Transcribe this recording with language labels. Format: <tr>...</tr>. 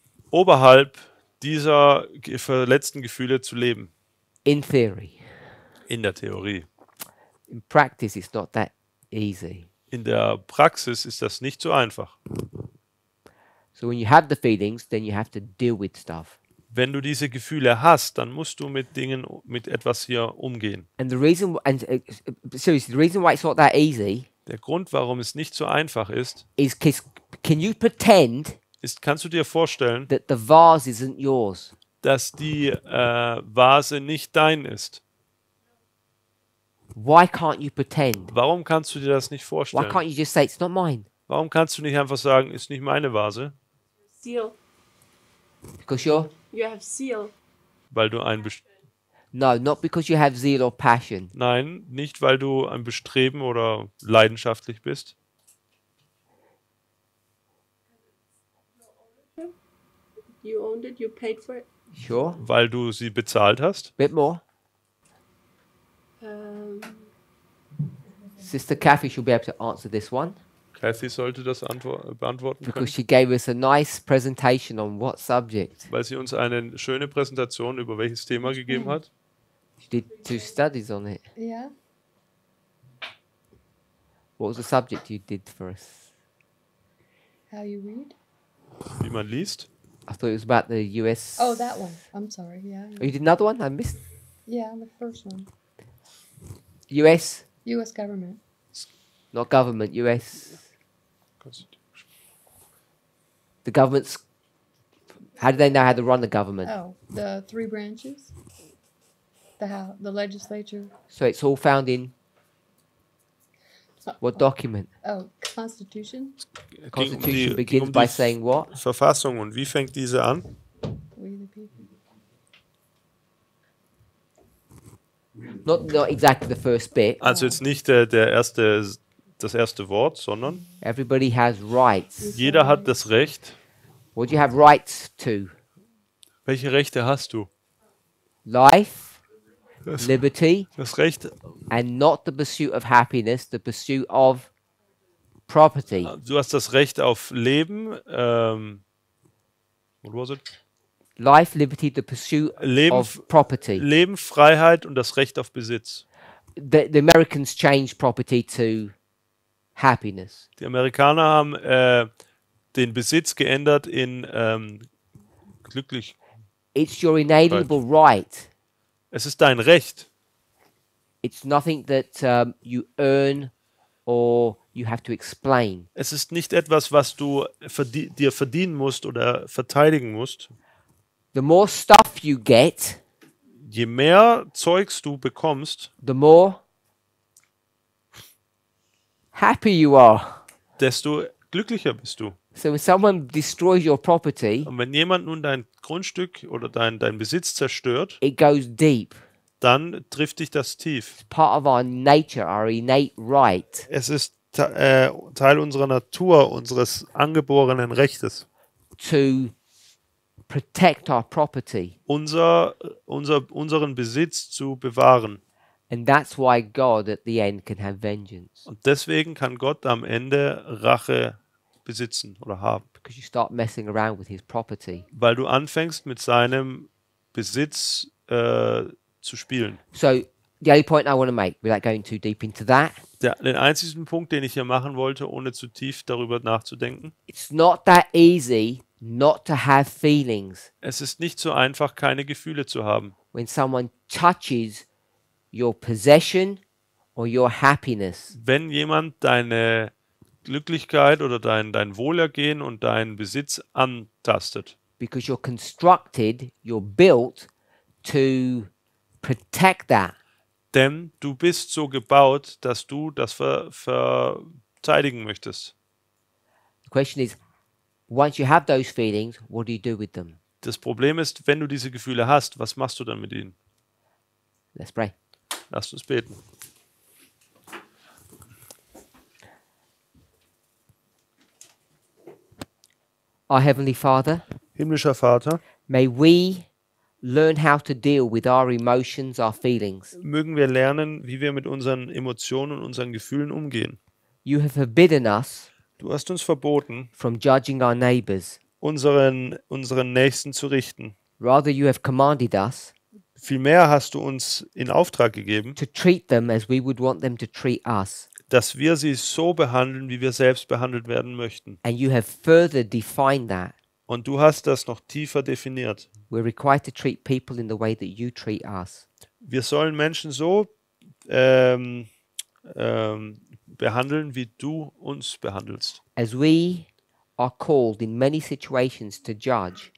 <de>Oberhalb dieser verletzten Gefühle zu leben.</de> <en>In theory.</en> <de>In der Theorie.</de> <en>In practice, it's not that easy.</en> <de>In der Praxis ist das nicht so einfach.</de> <en>So when you have the feelings, then you have to deal with stuff.</en> <de>Wenn du diese Gefühle hast, dann musst du mit Dingen, mit etwas hier umgehen. Der Grund, warum es nicht so einfach ist, kannst du dir vorstellen,</de> <en>that the vase isn't yours?</en> <de>Dass die Vase nicht dein ist.</de> <en>Why can't you pretend?</en> <de>Warum kannst du dir das nicht vorstellen?</de> <en>Why can't you just say, it's not mine?</en> <de>Warum kannst du nicht einfach sagen, ist nicht meine Vase?</de> <en>Seal. Because you're You have seal.</en> <de>Weil du ein Best-</de> <en>No, not because you have zeal or passion.</en> <de>Nein, nicht weil du ein Bestreben oder leidenschaftlich bist.</de> <en>You owned it, you paid for it. Sure.</en> <de>Weil du sie bezahlt hast.</de> <en>Bit more. Sister Kathy should be able to answer this one.</en> <de>Kathy sollte das beantworten</de> <en>because</en> <de>können.</de> <en>She gave us a nice presentation on what subject.</en> <de>Weil sie uns eine schöne Präsentation über welches Thema gegeben hat.</de> <en>She did two studies on it. Yeah. What was the subject you did for us? How you read? Wie man liest. I thought it was about the US. Oh, that one. I'm sorry. Yeah. Oh, you did another one? I missed. Yeah, the first one. US. US government. Not government, US. Constitution. The government's. How do they know how to run the government? Oh, the three branches. The legislature. So it's all found in what document? Oh, Constitution. Constitution begins by saying what?</en> <de>Verfassung. Und wie fängt diese an?</de> <en>We the people. Not exactly the first bit.</en> <de>Also jetzt nicht der erste, das erste Wort, sondern</de> <en>everybody has rights.</en> <de>Jeder hat das Recht.</de> <en>What do you have rights to?</en> <de>Welche Rechte hast du?</de> <en>Life. Liberty,</en> <de>das Recht,</de> <en>and not the pursuit of happiness, the pursuit of property.</en> <de>Du hast das Recht auf Leben.</de> <en>What was it? Life, liberty, the pursuit of property.</en> <de>Leben, Freiheit und das Recht auf Besitz.</de> <en>The Americans changed property to happiness.</en> <de>Die Amerikaner haben den Besitz geändert in glücklich.</de> <en>It's your inalienable right.</en> <de>Es ist dein Recht.</de> <en>It's nothing that you earn or you have to explain.</en> <de>Es ist nicht etwas, was du dir verdienen musst oder verteidigen musst.</de> <en>The more stuff you get,</en> <de>je mehr Zeugs du bekommst,</de> <en>the more happy you are.</en> <de>Desto glücklicher bist du.</de> <en>So if someone destroys your property,</en> <de>und wenn jemand nun dein Grundstück oder dein Besitz zerstört,</de> <en>it goes deep.</en> <de>Dann trifft dich das tief.</de> <en>It's part of our nature, our innate right.</en> <de>Es ist Teil unserer Natur, unseres angeborenen Rechtes,</de> <en>to protect our property.</en> <de>Unseren Besitz zu bewahren.</de> <en>And that's why God at the end can have vengeance.</en> <de>Und deswegen kann Gott am Ende Rache besitzen oder haben.</de> <en>Because you start messing around with his property.</en> <de>Weil du anfängst mit seinem Besitz zu spielen.</de> <en>So, the only point I want to make, without going too deep into that.</en> <de>Den einzigen Punkt, den ich hier machen wollte, ohne zu tief darüber nachzudenken.</de> <en>It's not that easy not to have feelings.</en> <de>Es ist nicht so einfach, keine Gefühle zu haben.</de> <en>When someone touches your possession or your happiness.</en> <de>Wenn jemand deine Glücklichkeit oder dein Wohlergehen und deinen Besitz antastet.</de> <en>Because you're constructed, you're built to protect that.</en> <de>Denn du bist so gebaut, dass du das verteidigen möchtest.</de> <en>The question is, once you have those feelings, what do you do with them?</en> <de>Das Problem ist, wenn du diese Gefühle hast, was machst du dann mit ihnen?</de> <en>Let's pray.</en> <de>Lass uns beten.</de> <en>Our Heavenly Father,</en> <de>himmlischer Vater,</de> <en>may we learn how to deal with our emotions, our feelings.</en> <de>Mögen wir lernen, wie wir mit unseren Emotionen und unseren Gefühlen umgehen.</de> <en>You have forbidden us,</en> <de>du hast uns verboten,</de> <en>from judging our neighbors,</en> <de>unseren Nächsten zu richten.</de> <en>Rather, you have commanded us,</en> <de>vielmehr hast du uns in Auftrag gegeben,</de> <en>to treat them as we would want them to treat us,</en> <de>dass wir sie so behandeln, wie wir selbst behandelt werden möchten.</de> <en>And you have further defined that.</en> <de>Und du hast das noch tiefer definiert.</de> <en>We're required to treat people in the way that you treat us.</en> <de>Wir sollen Menschen so behandeln, wie du uns behandelst.</de> <en>As we are called in many situations to judge.</en>